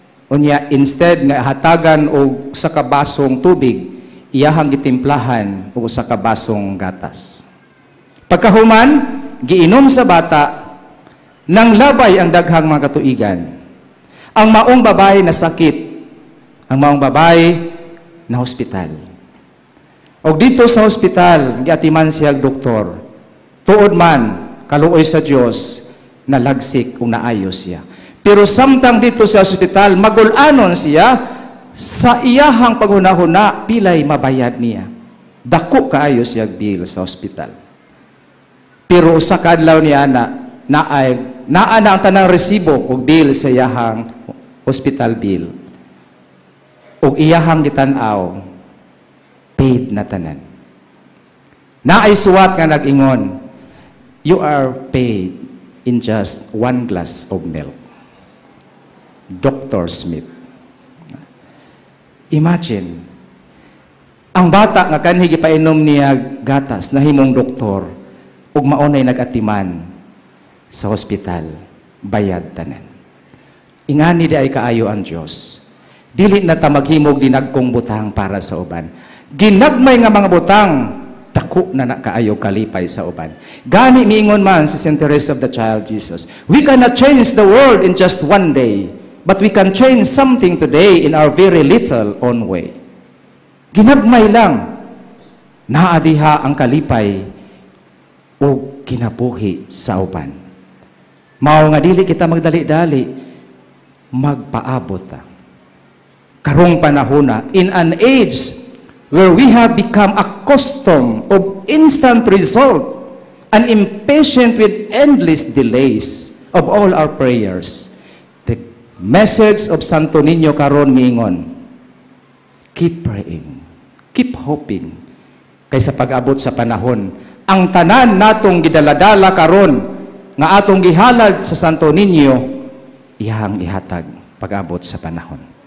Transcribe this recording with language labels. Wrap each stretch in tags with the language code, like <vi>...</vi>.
<ceb>O niya, instead nga hatagan o sa kabasong tubig, iyahang gitimplahan o sa kabasong gatas. Pagkahuman, giinom sa bata, nang labay ang daghang mga katuigan. Ang maong babae na sakit, ang maong babae na hospital. O dito sa hospital, giatiman siyang doktor, tuod man, kaluoy sa Diyos, nalagsik o naayos siya. Pero samtang dito sa hospital, magulanon siya, sa iyahang paghunahuna, pilay mabayad niya. Dako kaayo siya bill sa ospital. Pero sa kadlaw ni Ana, naana ang tanang resibo o bill sa iyahang ospital bill. O iyahang gitanaw, paid na tanan. Naay suwat nga nag-ingon,</ceb> <en>you are paid in just one glass of milk. Dr. Smith.</en> <ceb>Imagine, ang bata nga kanhigi painom niya gatas na himong doktor ug maunay nag-atiman sa hospital, bayad tanan. Ingani di ay kaayo ang Diyos. dili na ta maghimog dinagkong butang para sa uban. Ginagmay nga mga butang, dako na nakaayo kalipay sa uban. Gani miingon man sa</ceb> <en>Saint Teresa of the Child Jesus, we cannot change the world in just one day, but we can change something today in our very little own way.</en> <ceb>Ginagmay lang, naadiha ang kalipay o kinabuhi sa uban. Mao nga dili kita magdali-dali, magpaabot. Karong panahuna,</ceb> <en>in an age where we have become accustomed of instant result and impatient with endless delays of all our prayers, the message of Santo Niño</en> <ceb>karon miingon,</ceb> <en>keep praying, keep hoping,</en> <ceb>kaysa pag-abot sa panahon. Ang tanan natong gidaladala karon nga atong gihalad sa Santo Niño, iyang ihatag pag-abot sa panahon.</ceb>